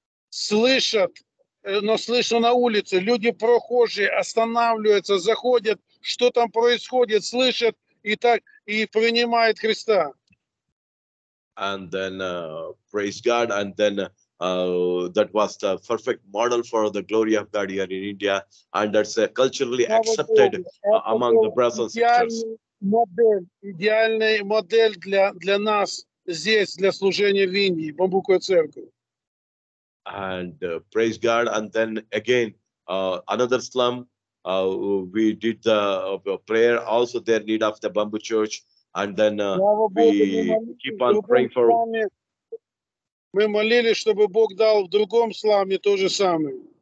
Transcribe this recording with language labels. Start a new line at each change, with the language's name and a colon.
Russian: Слышат. Но слышу на улице, люди прохожие останавливаются, заходят, что там происходит, слышат и так и принимают Христа.
English: And then praise God, and then that was the perfect model for the glory of God here in India, and that's culturally accepted among the brothers and sisters.
Russian: Идеальная модель для нас здесь для служения в Индии, бамбуковой церкви.
English: And praise God. And then again, another slum, we did the prayer also there need of the bamboo church. And then we keep on praying for.
Russian: Мы молились, чтобы Бог дал в другом сламе то же самое.